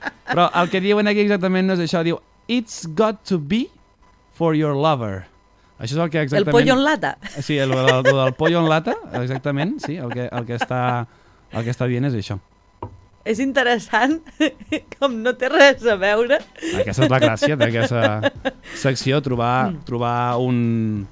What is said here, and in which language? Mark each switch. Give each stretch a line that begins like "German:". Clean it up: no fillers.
Catalan: Però el que diuen aquí exactament no és això. Diu,
English: it's got to be for your lover.
Catalan: Això és el que exactament...
Spanish: El pollo en lata. Sí, el pollo en lata,
Catalan: exactament. Sí, el que està dient és això. És interessant, com no té res a veure. Aquesta és la gràcia d'aquesta secció, trobar un...